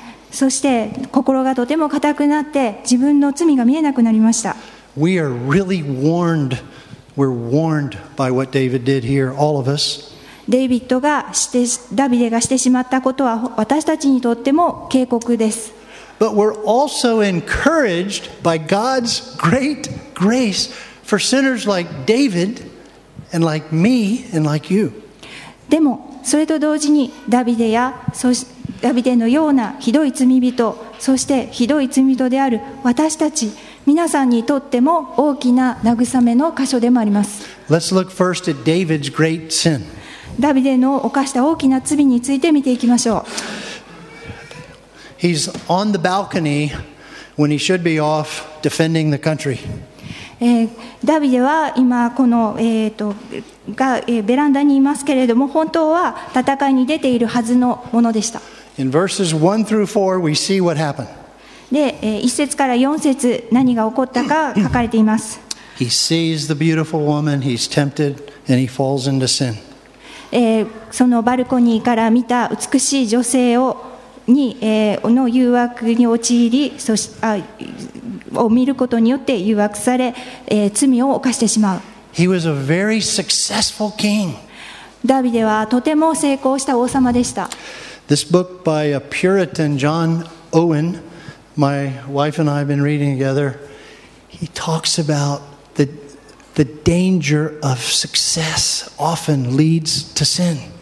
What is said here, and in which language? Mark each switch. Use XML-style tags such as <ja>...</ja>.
<ja>そして心がとても固くなって自分の罪が見えなくなりました。</ja> <en>We are really warned. We're warned by what David did here, all of us.</en> <ja>ダビデがしてしまったことは私たちにとっても警告です。</ja> <en>But we're also encouraged by God's great grace for sinners like David and like me and like you.</en> <ja>でもそれと同時にダビデのようなひどい罪人、そしてひどい罪人である私たち皆さんにとっても大きな慰めの箇所でもあります。</ja> <en>Let's look first at David's great sin.</en> <ja>ダビデの犯した大きな罪について見ていきましょう。</ja> <en>He's on the balcony when he should be off defending the country.</en> <ja>ダビデは今このベランダにいますけれども、本当は戦いに出ているはずのものでした。</ja> <en>In verses 1 through 4, we see what happened.</en> <ja>で、一節から四節、何が起こったか書かれています。</ja> <en>He sees the beautiful woman, he's tempted, and he falls into sin.</en> <ja>そのバルコニーから見た美しい女性をに、の誘惑に陥り、そしあを見ることによって誘惑され、罪を犯してしまう。</ja> <en>He was a very successful king.</en> <ja>ダビデはとても成功した王様でした。</ja> <en>This book by a Puritan, John Owen, my wife and I have been reading together. He talks about the danger of success often leads to sin.</en>